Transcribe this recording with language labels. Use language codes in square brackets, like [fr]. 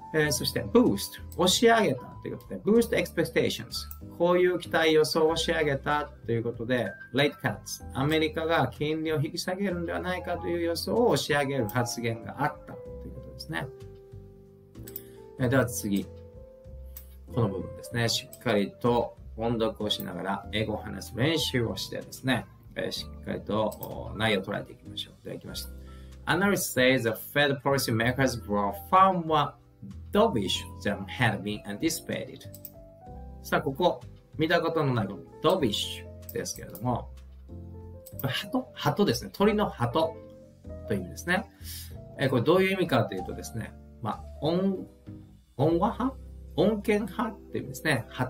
[ja] そして boost 押し上げたということで、 [en] boost expectations [ja] こういう期待予想を押し上げたということで、 [en] rate cuts [ja] アメリカが金利を引き下げるんではないかという予想を押し上げる発言があったということですね。では次この部分ですね、しっかりと音読をしながら英語を話す練習をしてですね、しっかりと内容を捉えていきましょう。ではいきました。 [en] Analysts say the Fed policymakers were far moreDovish than had been anticipated. [ja] さあここ見たことのない Dovish ですけれども、鳩ですね、鳥の鳩という意味ですね。これどういう意味かというとですね、まあ温和派、穏健派っていう意味ですね。